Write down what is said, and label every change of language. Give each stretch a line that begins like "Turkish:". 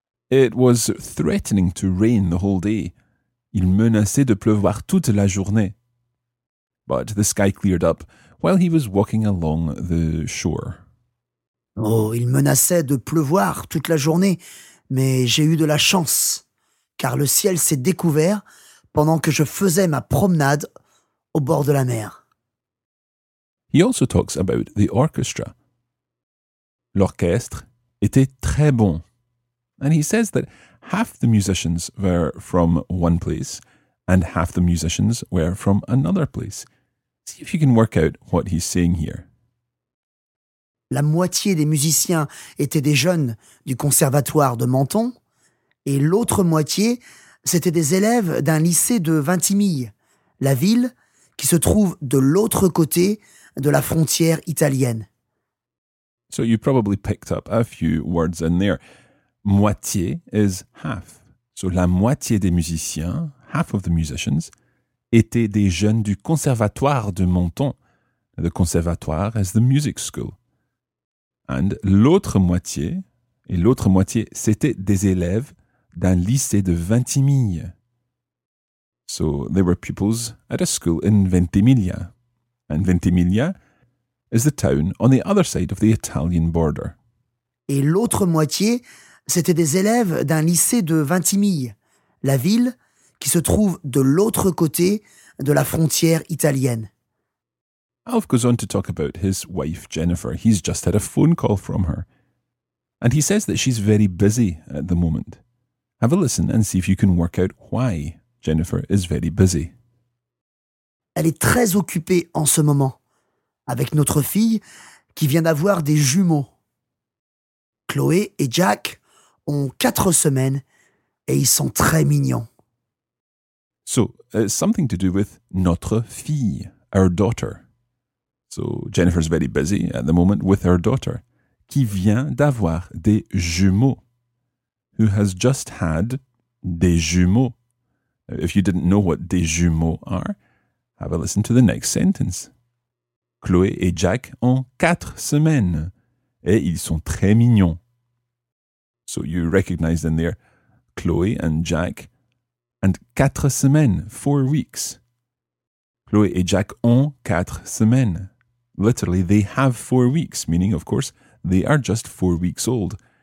English: It was threatening to rain the whole day.
French: Il menaçait de pleuvoir toute la journée.
English: But the sky cleared up while he was walking along the shore.
French: Oh, il menaçait de pleuvoir toute la journée. Mais j'ai eu de la chance, car le ciel s'est découvert pendant que je faisais ma promenade au bord de la mer.
English: He also talks about the orchestra.
French: L'orchestre était très bon.
English: And he says that half the musicians were from one place and half the musicians were from another place. See if you can work out what he's saying here.
French: La moitié des musiciens étaient des jeunes du conservatoire de Menton et l'autre moitié, c'était des élèves d'un lycée de Vintimille, la ville qui se trouve de l'autre côté de la frontière italienne.
English: So you probably picked up a few words in there. Moitié is half. So
French: la moitié des musiciens,
English: half of the musicians,
French: étaient des jeunes du conservatoire de Menton.
English: The conservatoire is the music school. And
French: l'autre moitié, c'était des élèves d'un lycée de Vintimille.
English: So there were pupils at a school in Ventimiglia. And Ventimiglia is the town on the other side of the Italian border.
French: Et l'autre moitié, c'était des élèves d'un lycée de Vintimille, la ville qui se trouve de l'autre côté de la frontière italienne.
English: Alf goes on to talk about his wife, Jennifer. He's just had a phone call from her. And he says that she's very busy at the moment. Have a listen and see if you can work out why Jennifer is very busy.
French: Elle est très occupée en ce moment, avec notre fille qui vient d'avoir des jumeaux. Chloé et Jack ont 4 semaines et ils sont très mignons.
English: So, something to do with
French: notre fille,
English: our daughter. So, Jennifer's very busy at the moment with her daughter,
French: qui vient d'avoir des jumeaux,
English: who has just had
French: des jumeaux.
English: If you didn't know what
French: des jumeaux
English: are, have a listen to the next sentence.
French: Chloé et Jack ont 4 semaines, et ils sont très mignons.
English: So, you recognize in there Chloé and Jack, and
French: 4 semaines,
English: 4 weeks.
French: Chloé et Jack ont 4 semaines.
English: Literally, they have 4 weeks, meaning, of course, they are just 4 weeks old.